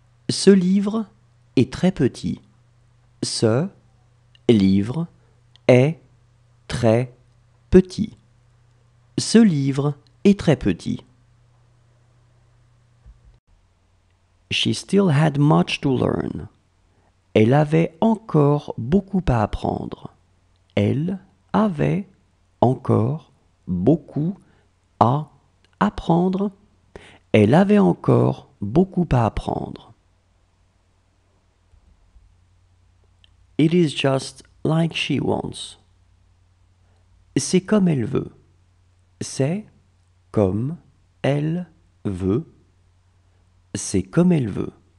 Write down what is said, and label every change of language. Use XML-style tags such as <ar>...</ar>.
<fr>Ce livre est très petit. Ce livre est très petit. Ce livre est très petit.</fr> <en>She still had much to learn.</en> <fr>Elle avait encore beaucoup à apprendre. Elle avait encore beaucoup à apprendre. Elle avait encore beaucoup à apprendre.</fr> <en>It is just like she wants.</en> <fr>C'est comme elle veut. C'est comme elle veut. C'est comme elle veut.</fr>